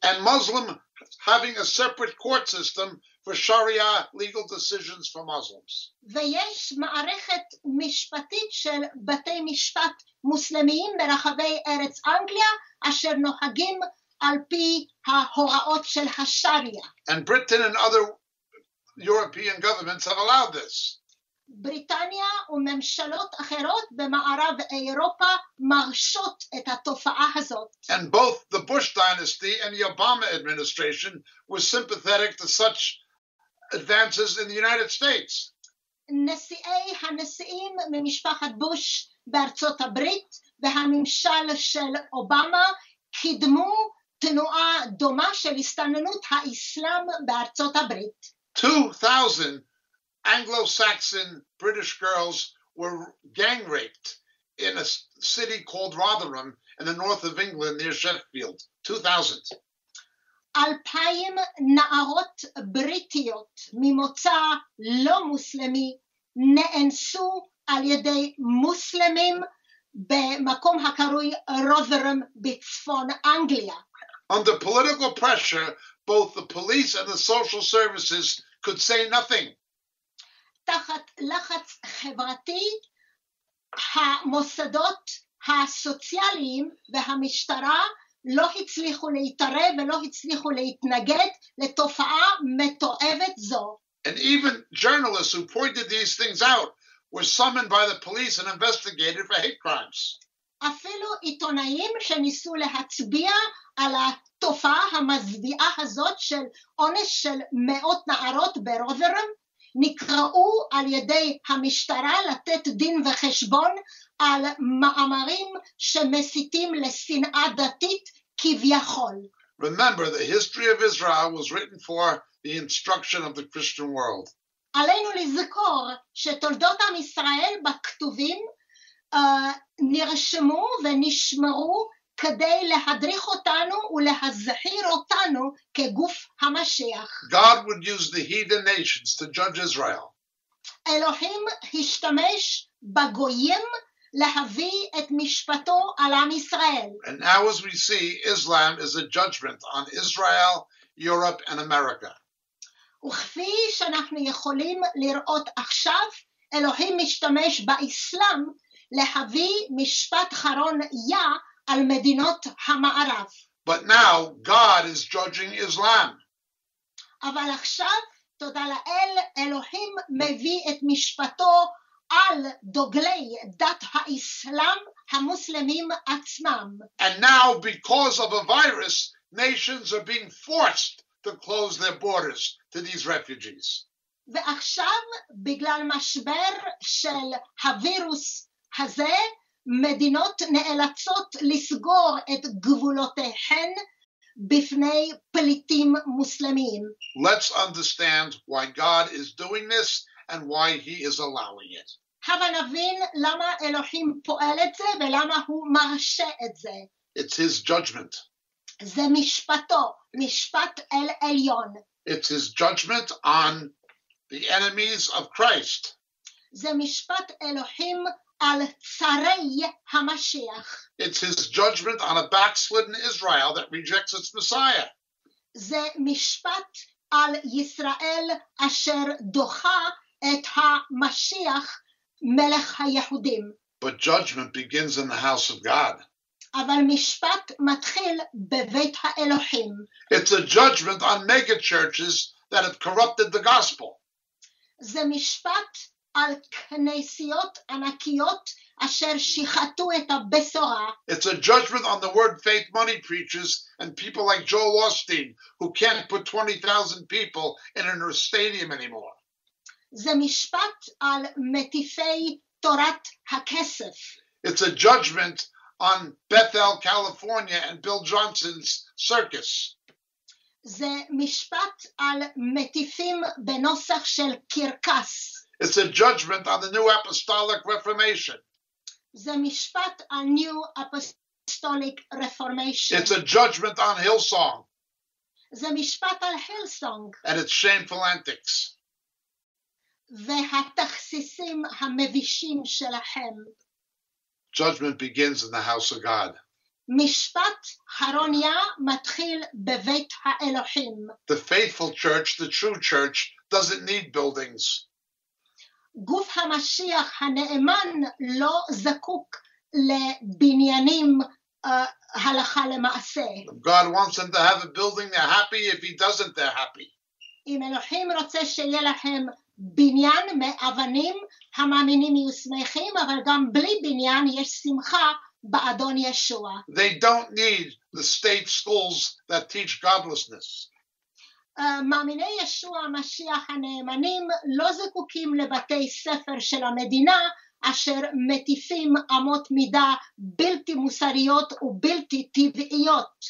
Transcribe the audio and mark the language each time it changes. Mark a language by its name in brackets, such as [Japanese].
[English] And Muslim having a separate court system for Sharia legal decisions for Muslims. [Hebrew] ויש מערכת משפטית של בתי משפט מוסלמיים ברחבי ארץ אנגליה אשר נוהגים על פי ההוראות של השריעה. [English] And Britain and other European governments have allowed this. [Hebrew] בריטניה וממשלות אחרות במערב אירופה מרשות את התופעה הזאת. [English] And both the Bush dynasty and the Obama administration were sympathetic to such advances in the United States. [Hebrew] נשיאי הנשיאים ממשפחת בוש בארצות הברית והממשל של אובמה קידמו תנועה דומה של הסתננות האסלאם בארצות הברית. [English] 2,000 Anglo-Saxon British girls were gang-raped in a city called Rotherham in the north of England near Sheffield. 2,000. [Hebrew] 2,000 נערות בריטיות ממוצא לא מוסלמי נאנסו על ידי מוסלמים במקום הקרוי Rotherham בצפון אנגליה. [English] Under political pressure, both the police and the social services could say nothing. [Hebrew] תחת לחץ חברתי, המוסדות הסוציאליים והמשטרה לא הצליחו להתערב ולא הצליחו להתנגד לתופעה מתועבת זו. [English] And even journalists who pointed these things out were summoned by the police and investigated for hate crimes. [Hebrew] אפילו עיתונאים שניסו להצביע על התופעה המזוויעה הזאת של עונש של מאות נערות ברוברם, נקראו על ידי המשטרה לתת דין וחשבון על מאמרים שמסיתים לשנאה דתית כביכול. [English] Remember, the history of Israel was written for the instruction of the Christian world. [Hebrew] עלינו לזכור שתולדות עם ישראל בכתובים נרשמו ונשמרו כדי להדריך אותנו ולהזהיר אותנו כגוף המשיח. [English] God would use the heathen nations to judge Israel. [Hebrew] אלוהים השתמש בגויים להביא את משפטו על עם ישראל. [English] And now as we see, Islam is a judgment on Israel, Europe and America. [Hebrew] וכפי שאנחנו יכולים לראות עכשיו, אלוהים משתמש באסלאם להביא משפט חרון יה על מדינות המערב. [English] But now God is judging Islam. [Hebrew] אבל עכשיו, תודה לאל, אלוהים מביא את משפטו על דוגלי דת האסלאם המוסלמים עצמם. [English] And now because of a virus, nations are being forced to close their borders to these refugees. [Hebrew] ועכשיו, בגלל משבר של הווירוס הזה, מדינות נאלצות לסגור את גבולותיהן בפני פליטים מוסלמים. [English] Let's understand why God is doing this and why he is allowing it. [Hebrew] הבה נבין למה אלוהים פועל את זה ולמה הוא מרשה את זה. [English] It's his judgment. [Hebrew] זה משפטו, משפט אל עליון. [English] It's his judgment on the enemies of Christ. [Hebrew] זה משפט אלוהים על צרי המשיח. [English] It's his judgment on a backslidden Israel that rejects its Messiah. [Hebrew] זה משפט על ישראל אשר דוחה את המשיח, מלך היהודים. [English] But judgment begins in the house of God. [Hebrew] אבל משפט מתחיל בבית האלוהים. [English] It's a judgment on mega churches that have corrupted the gospel. [Hebrew] זה משפט על כנסיות ענקיות אשר שיחתו את הבשורה. [English] It's a judgment on the word faith money preachers and people like Joel Osteen who can't put 20,000 people in a stadium anymore. [Hebrew] זה משפט על מטיפי תורת הכסף. [English] It's a judgment on Bethel, California and Bill Johnson's circus. [Hebrew] זה משפט על מטיפים בנוסח של קרקס. [English] It's a judgment on the New Apostolic Reformation. [Hebrew] זה משפט על New Apostolic Reformation. [English] It's a judgment on Hillsong. [Hebrew] זה משפט על Hillsong. [English] And its shameful antics. [Hebrew] והתכסיסים המבישים שלהם. [English] Judgment begins in the house of God. [Hebrew] משפט הרוניה מתחיל בבית האלוהים. [English] The faithful church, the true church, doesn't need buildings. [Hebrew] גוף המשיח הנאמן לא זקוק לבניינים הלכה למעשה. [English] God wants them to have a building, they're happy. If he doesn't, they're happy. [Hebrew] אם אלוהים רוצה שיהיה להם בניין מאבנים, המאמינים יהיו שמחים, אבל גם בלי בניין יש שמחה באדון ישוע. [English] They don't need the state schools that teach godlessness. [Hebrew] מאמיני ישוע המשיח הנאמנים לא זקוקים לבתי ספר של המדינה אשר מטיפים אמות מידה בלתי מוסריות ובלתי טבעיות.